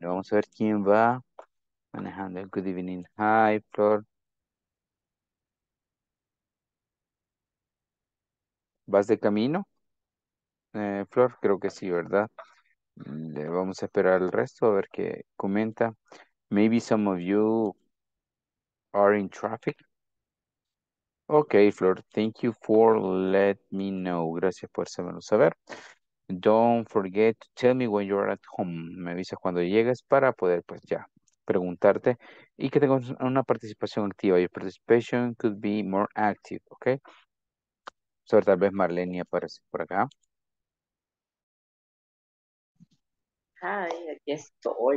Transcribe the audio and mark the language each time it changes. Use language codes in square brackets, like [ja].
[es] Vamos a ver quién va manejando. [en] Good evening. Hi, [es] Flor. ¿Vas de camino? Flor, creo que sí, ¿verdad? Le vamos a esperar al resto a ver qué comenta. [en] Maybe some of you are in traffic. Okay, Flor, thank you for let me know. [es] Gracias por hacérmelo saber. [en] Don't forget to tell me when you're at home. [es] Me avisas cuando llegues para poder, pues, ya preguntarte. Y que tengas una participación activa. [en] Your participation could be more active, okay? [es] So, tal vez Marlene aparece por acá. Hi, aquí estoy.